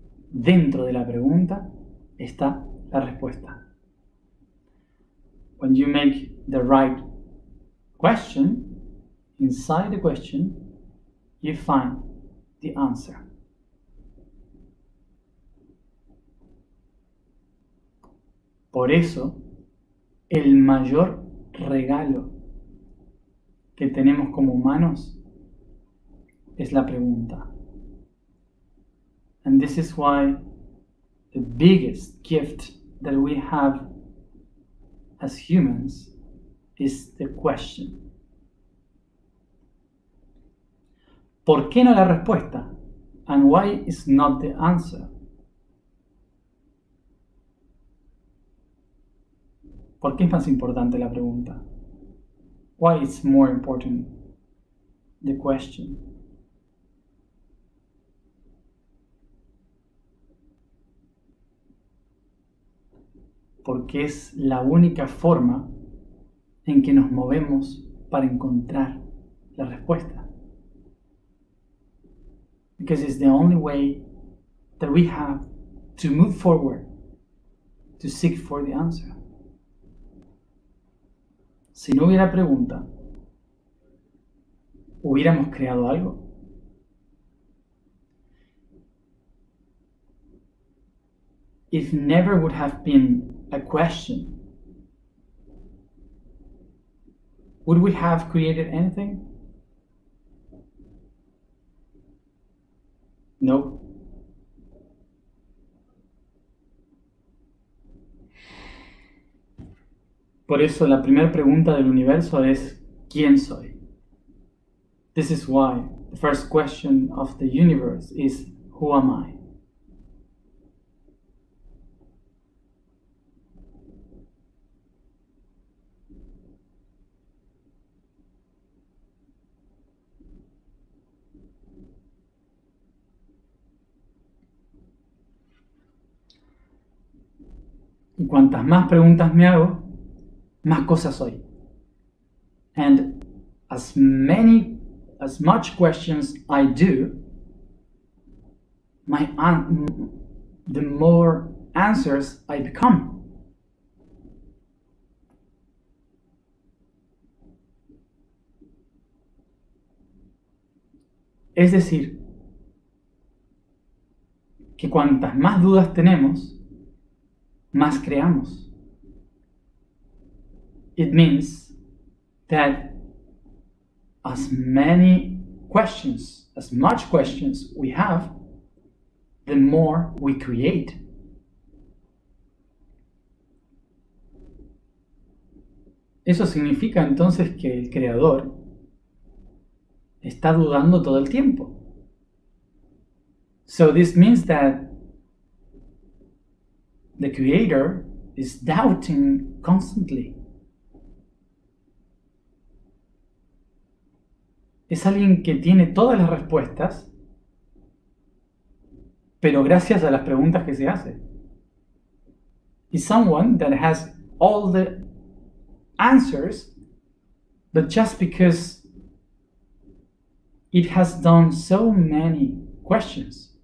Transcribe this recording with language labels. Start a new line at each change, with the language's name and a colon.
Spanish: dentro de la pregunta está la respuesta.
English: When you make the right question, inside the question, you find the answer.
Spanish: Por eso, el mayor regalo que tenemos como humanos es la pregunta.
English: And this is why the biggest gift that we have as humans is the question.
Spanish: ¿Por qué no la respuesta?
English: And why is not the answer?
Spanish: ¿Por qué es más importante la pregunta?
English: Why is more important the question?
Spanish: Porque es la única forma en que nos movemos para encontrar la respuesta.
English: Because it's the only way that we have to move forward, to seek for the answer.
Spanish: Si no hubiera pregunta, ¿hubiéramos creado algo?
English: If never would have been a question, would we have created anything?
Spanish: No. Por eso la primera pregunta del universo es ¿quién soy?
English: This is why the first question of the universe is who am I?
Spanish: Y cuantas más preguntas me hago, más cosas soy.
English: And as much questions I do, the more answers I become.
Spanish: Es decir, que cuantas más dudas tenemos, más creamos.
English: It means that as much questions we have, the more we create.
Spanish: Eso significa entonces que el creador está dudando todo el tiempo.
English: So this means that the creator is doubting constantly.
Spanish: Es alguien que tiene todas las respuestas, pero gracias a las preguntas que se hace.
English: Is someone that has all the answers, but just because it has done so many questions.